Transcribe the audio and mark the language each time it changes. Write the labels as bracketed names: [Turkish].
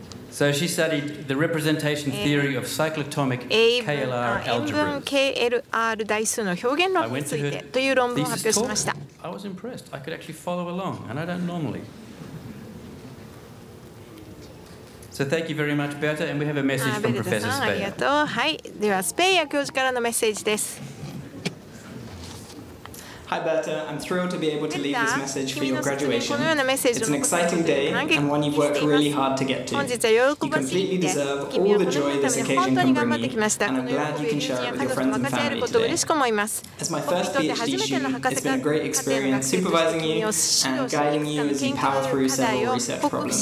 [English] So she studied the representation theory of cyclotomic KLR algebras. [Japanese] KLR 代数の表現論についてという論文を発表しました。 [English] I was impressed. I could actually follow along, and I don't normally. So thank you very much, Berta, and we have a message from Professor Speyer. [Japanese] ありがとう。はい、ではスペイヤー教授からのメッセージです。 [English] Hi, Berta. I'm thrilled to be able to leave this message for your graduation. It's an exciting day, and one you've worked really hard to get to. You completely deserve all the joy this occasion can bring you, and I'm glad you can share it with your friends and family today. As my first PhD student, it's been a great experience supervising you and guiding you as you power through several research problems.